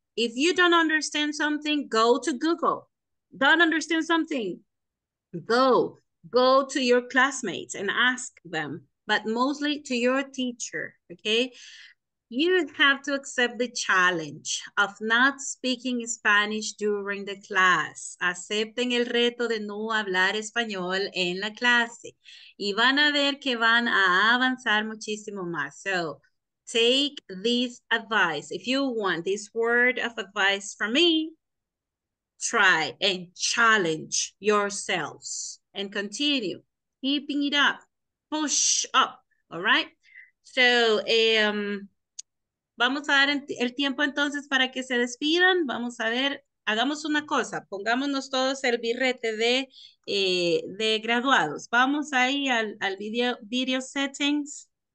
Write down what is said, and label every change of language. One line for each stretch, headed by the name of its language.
English: If you don't understand something, go to Google. Don't understand something, go. Go to your classmates and ask them, but mostly to your teacher, okay? You have to accept the challenge of not speaking Spanish during the class.
Spanish: Acepten el reto de no hablar español en la clase. Y van a ver que van a avanzar muchísimo más.
English: So, take this advice. If you want this word of advice from me, try and challenge yourselves and continue keeping it up. Push up, all right?
Spanish: So, vamos a dar el tiempo entonces para que se despidan. Vamos a ver, hagamos una cosa, pongámonos todos el birrete de graduados. Vamos ahí al video settings.